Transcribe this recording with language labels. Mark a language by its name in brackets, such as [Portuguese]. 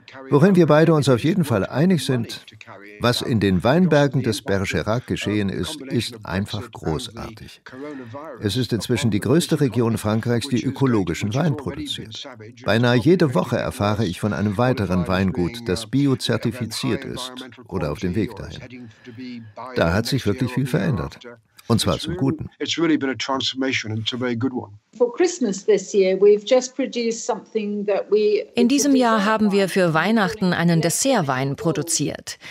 [German] Worin wir beide uns auf jeden Fall einig sind, was in den Weinbergen des Bergerac geschehen ist, ist einfach großartig. Es ist inzwischen die größte Region Frankreichs, die ökologischen Wein produziert. Beinahe jede Woche erfahre ich von einem weiteren Weingut, das biozertifiziert ist oder auf dem Weg dahin. Da hat sich wirklich viel verändert. Und zwar zum Guten. [English] It's really been a transformation and a very good one. For Christmas this year, we've just produced something that we. [German] In diesem Jahr haben wir für Weihnachten einen Dessertwein produziert.